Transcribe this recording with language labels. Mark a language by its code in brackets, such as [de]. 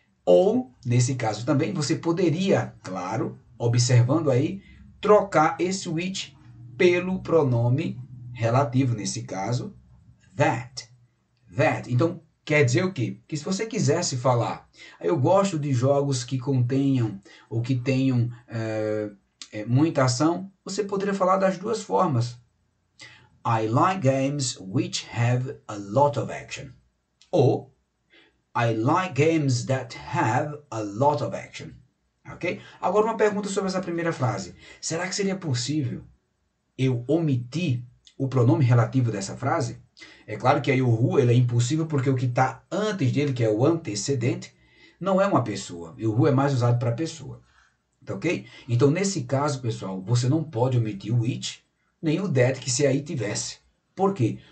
[pt] Ou, nesse caso também, você poderia, claro, observando aí, trocar esse which pelo pronome relativo, nesse caso, that. That. Então, quer dizer o quê? Que se você quisesse falar, eu gosto de jogos que contenham ou que tenham. Muita ação, você poderia falar das duas formas. [en] I like games which have a lot of action. Ou, I like games that have a lot of action. [pt] Ok? Agora uma pergunta sobre essa primeira frase. Será que seria possível eu omitir o pronome relativo dessa frase? É claro que aí o who ele é impossível porque o que está antes dele, que é o antecedente, não é uma pessoa. E o who é mais usado para pessoa. Tá ok? Então, nesse caso, pessoal, você não pode omitir o which, nem o that, que se aí tivesse. Por quê?